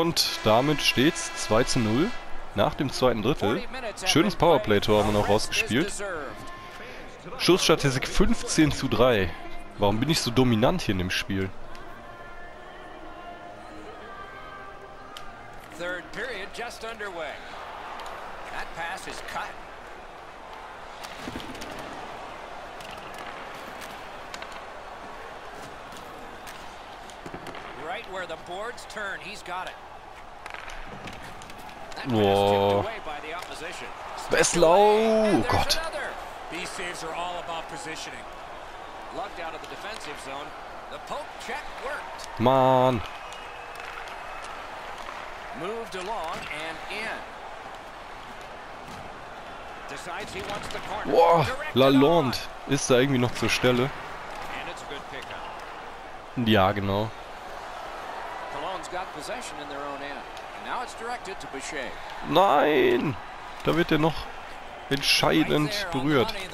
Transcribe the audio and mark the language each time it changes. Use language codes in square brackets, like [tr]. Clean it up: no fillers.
[de] Und damit steht's 2-0 nach dem zweiten Drittel. Schönes Powerplay-Tor haben wir noch rausgespielt. Schussstatistik 15-3. Warum bin ich so dominant hier in dem Spiel? [en] Third period just underway. That pass is cut. Right where the boards turn, he's got it. Whoa. [de] Beslow! Gott. [en] These saves are all about positioning. Lucked out of the defensive zone. The poke check worked. Man. Moved along and in. Decides he wants the corner. Whoa. [de] Lalonde ist da irgendwie noch zur Stelle. [en] And it's a good pickup. [de] Ja, genau. [en] Cologne's got possession in their own end. Now it's directed to Boucher. [de] Nein! Da wird er noch entscheidend berührt.